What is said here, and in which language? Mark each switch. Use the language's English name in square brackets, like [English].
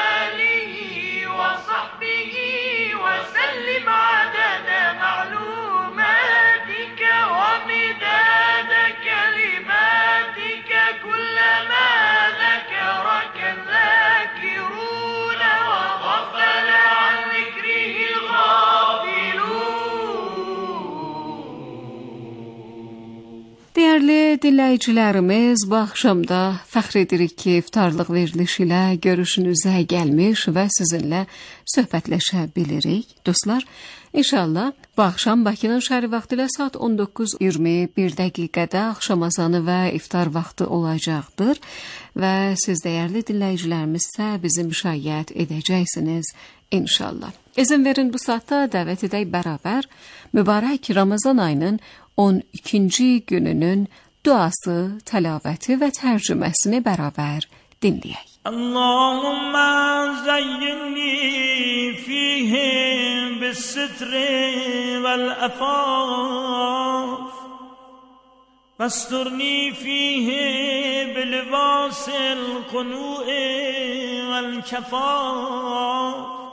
[Arabic] آله وصحبه وسلم عدد معلوماتك ومداد كلماتك كلما ذكرك الذاكرون وغفل عن ذكره الغافلون. [Azerbaijani] Değerli dinleyicilerimiz, bu akşam da fəxr edirik ki, iftarlıq verilişilə görüşünüzə gəlmiş və sizinlə söhbətləşə bilirik. Dostlar, inşallah bu akşam Bakının şəhəri vaxtı ilə saat 19:20 bir dəqiqədə akşam azanı və iftar vaxtı olacaqdır. Və siz, dəyərli dinləyicilərimiz, isə bizi müşayiət edəcəksiniz, inşallah. İzin verin, bu saatda dəvət edək bərabər mübarək Ramazan ayının 12-ci gününün duası, tələvəti və tərcüməsini bərabər dinləyək. [Arabic] اللهم زينني فيه بالستر والأفاف واسترني فيه بلباس القنوع والكفاف